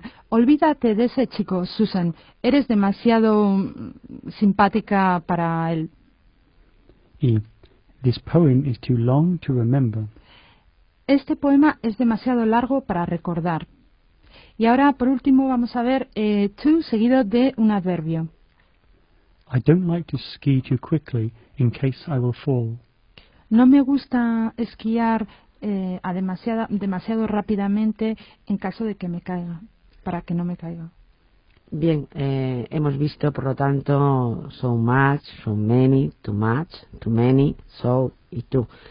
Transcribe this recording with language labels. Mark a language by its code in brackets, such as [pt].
[es] Olvídate de ese chico, Susan. Eres demasiado simpática para él. [en] Y, this poem is too long to remember. [es] Este poema es demasiado largo para recordar. Y ahora, por último, vamos a ver to seguido de un adverbio. [en] I don't like to ski too quickly in case I will fall. [es] No me gusta esquiar demasiado rápidamente en caso de que me caiga, para que no me caiga. Bien, hemos visto, por lo tanto, so much, so many, too many, so y tú.